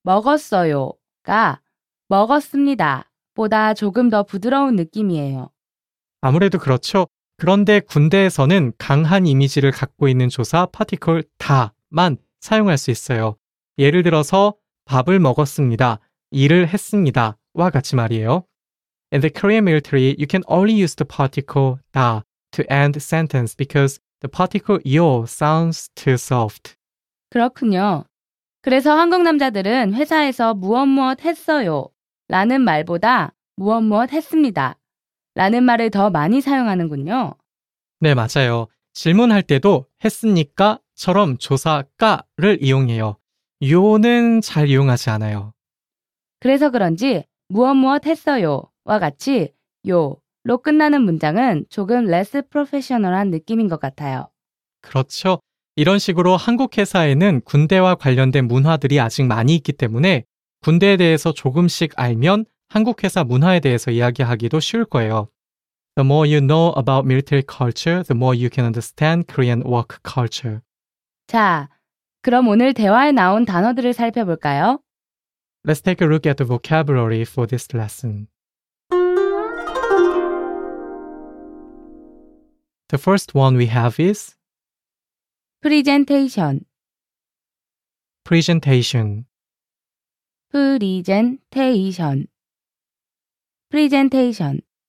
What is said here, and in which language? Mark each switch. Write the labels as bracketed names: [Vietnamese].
[Korean] 먹었어요가 먹었습니다 보다 조금 더 부드러운 느낌이에요. 아무래도 그렇죠. 그런데 군대에서는 강한 이미지를 갖고 있는 조사 파티클 다만 사용할 수 있어요. 예를 들어서 밥을 먹었습니다. 일을 했습니다. 와 같이 말이에요. [English] In the Korean military, you can only use the particle 다 to end sentence because the particle 요 sounds too soft. [Korean] 그렇군요. 그래서 한국 남자들은 회사에서 무엇무엇 했어요 라는 말보다 무엇무엇 했습니다 라는 말을 더 많이 사용하는군요. 네, 맞아요. 질문할 때도 했습니까? 처럼 조사가를 이용해요. 요는 잘 이용하지 않아요. 그래서 그런지 무엇무엇 했어요와 같이 요로 끝나는 문장은 조금 [English] less professional [Korean] 한 느낌인 것 같아요. 그렇죠. 이런 식으로 한국 회사에는 군대와 관련된 문화들이 아직 많이 있기 때문에 군대에 대해서 조금씩 알면 한국 회사 문화에 대해서 이야기하기도 쉬울 거예요. [English] The more you know about military culture, the more you can understand Korean work culture. [Korean] 자, 그럼 오늘 대화에 나온 단어들을 살펴볼까요? [English] Let's take a look at the vocabulary for this lesson. The first one we have is presentation. Presentation. Presentation. Presentation.